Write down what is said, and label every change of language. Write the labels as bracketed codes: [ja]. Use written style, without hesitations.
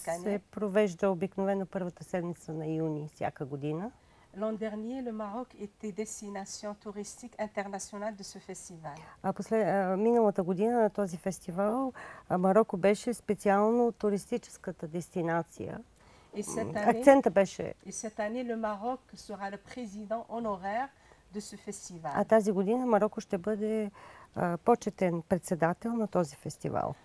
[bg] се провежда обикновено първата седмица на юни всяка година. [fr] L'an dernier, le Maroc était destination touristique internationale de ce festival. [bg] Миналата година на този фестивал Мароко беше специално туристическата дестинация. Акцента беше... [fr] Et cette année, le Maroc sera le président honoraire de ce festival. [bg] А тази година Марокко ще бъде почетен председател на този фестивал.